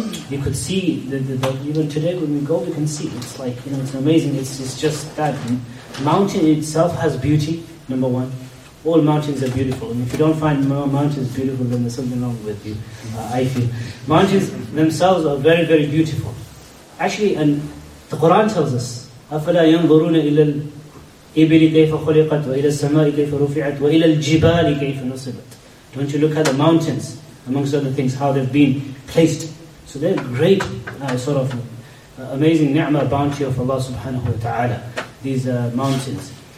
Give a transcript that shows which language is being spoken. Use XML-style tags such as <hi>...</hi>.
<en>You could see, the even today when we go, we can see. It's like, you know, it's amazing. It's just that. Mountain itself has beauty, number one. All mountains are beautiful. And if you don't find mountains beautiful, then there's something wrong with you, I feel. Mountains themselves are very, very beautiful. Actually, and the Quran tells us,</en> <ar>أَفَلَا يَنْظُرُونَ إِلَى الْإِبِلِ كَيْفَ خُلِقَتْ وَإِلَى السَّمَاءِ كَيْفَ رُفِعَتْ وَإِلَى الْجِبَالِ كَيْفَ نُصِبَتْ.</ar> <en>Don't you look at the mountains, amongst other things, how they've been placed. So they're great, sort of amazing ni'mah, bounty of Allah subhanahu wa ta'ala, these mountains.</en>